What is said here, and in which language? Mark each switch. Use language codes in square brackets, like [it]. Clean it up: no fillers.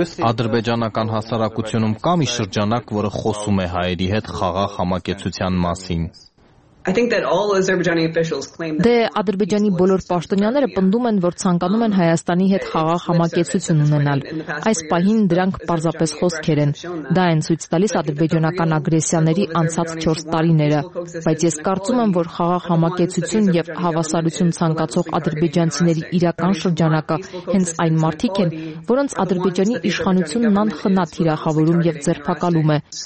[hy] Ադրբեջանական հասարակությունում կա մի շրջանակ, որը խոսում է հայերի հետ խաղաղ համակեցության մասին։ [en] I think that all Azerbaijani officials claim that the Azerbaijani [hy] բոլոր պաշտոնյաները պնդում են, որ ցանկանում են Հայաստանի հետ խաղաղ համակեցություն ունենալ։ Այս պահին դրանք պարզապես խոսքեր են։ Դա են ցույց տալիս ադրբեջանական ագրեսիաների անցած 4 տարիները, բայց ես կարծում եմ, որ խաղաղ համակեցություն եւ հավասարություն ցանկացող ադրբեջանցիների իրական շրջանակը հենց այն մարդիկ են, որոնց ադրբեջանի իշխանությունն անխնա թիրախավորում եւ ձերբակալում է։